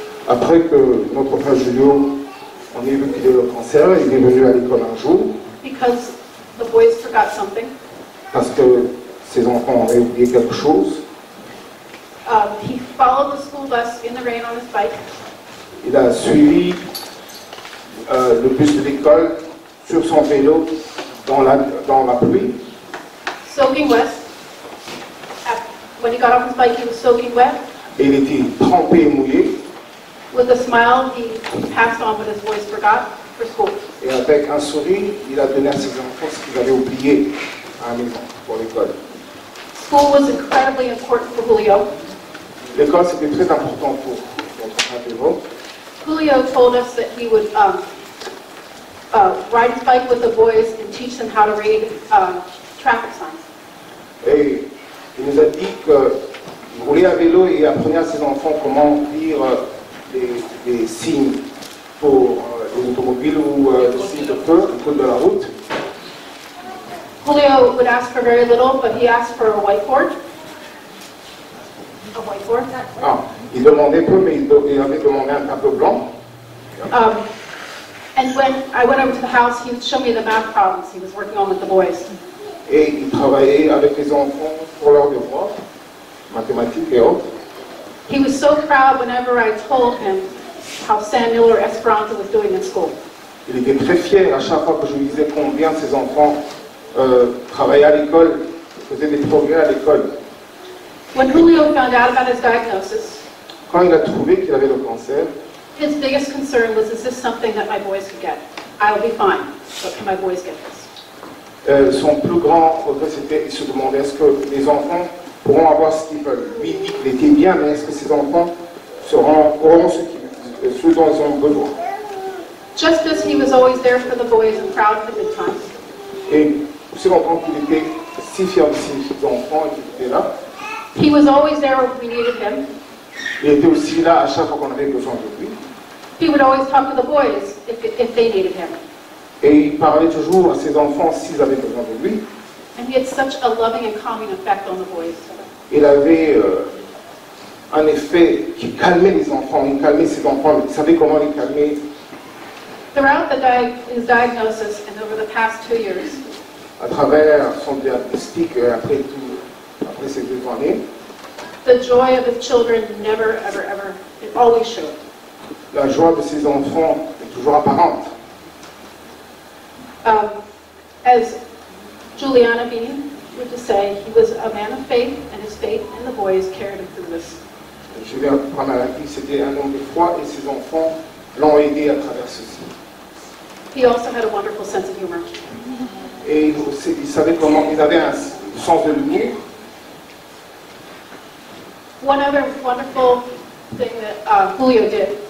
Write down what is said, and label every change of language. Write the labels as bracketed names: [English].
[French] Après que notre frère Julio, on a vu qu'il avait le cancer, il est venu à l'école un jour. [English] Because the boys forgot something. [French] Parce que ses enfants avaient oublié quelque chose. [English] He followed the school bus in the rain on his bike. [French] Il a suivi le bus de l'école sur son vélo dans la pluie. [English] Soaking wet. When he got off his bike, he was soaking wet. [French] Il était trempé et mouillé. [English] With a smile, he passed on what his boys forgot for school. [French] Et avec un sourire, il a donné à ses enfants ce qu'il avait oublié à la maison pour l'école. [English] School was incredibly important for Julio. [French] L'école c'était très important pour notre frère. [English] Julio told us that he would ride his bike with the boys and teach them how to read traffic signs. [French] Et il nous a dit que rouler à vélo et apprenait à ses enfants comment lire les signes pour les automobiles ou les signes de feu, le code de la route. [English] Julio would ask for very little, but he asked for a whiteboard. A whiteboard, that's right. [French] Ah, il demandait peu, mais il avait demandé un tableau blanc. [English] And when I went over to the house, he would show me the math problems he was working on with the boys. [French] Et il travaillait avec les enfants pour leur devoir, mathématiques et autres. [English] He was so proud whenever I told him how Samuel or Esperanza was doing in school. [French] Il était très fier à chaque fois que je lui disais combien ses enfants travaillaient à l'école, faisaient des progrès à l'école. [English] When Julio found out about his diagnosis, [French] quand il a trouvé qu'il avait le cancer, [English] his biggest concern was, is this something that my boys could get? I'll be fine, but can my boys get this? [French] Son plus grand regret, c'était qu'il se demandait est-ce que les enfants pourront avoir ce qu'ils veulent. Lui, il dit qu'il était bien, mais est-ce que ses enfants auront ce dont ils ont besoin? [English] Just as he was always there for the boys and proud for good times. [French] Et aussi longtemps qu'il était si fier de ses enfants et qu'il était là, [English] he was always there when we needed him. [French] Il était aussi là à chaque fois qu'on avait besoin de lui. [English] He would always talk to the boys if they needed him. [French] Et il parlait toujours à ses enfants s'ils avaient besoin de lui. [English] And he had such a loving and calming effect on the boys. [French] Il avait un effet qui calmait les enfants, il calmait ses enfants, il savait comment les calmer. [English] Throughout his diagnosis and over the past 2 years, [French] à travers son diagnostic et après tout, après ces 2 années, [English] the joy of his children never, ever, ever, it always showed. [French] La joie de ses enfants est toujours apparente. [English] As Juliana Bean would just say, he was a man of faith, and his faith in the boys carried him through this. [French] Je vais apprendre à la vie, c'était un homme de foi, et ses enfants l'ont aidé à travers ceci. [English] He also had a wonderful sense of humor. [French] Et il savait comment, il avait un sens de l'humour. [English] One other wonderful thing that Julio did.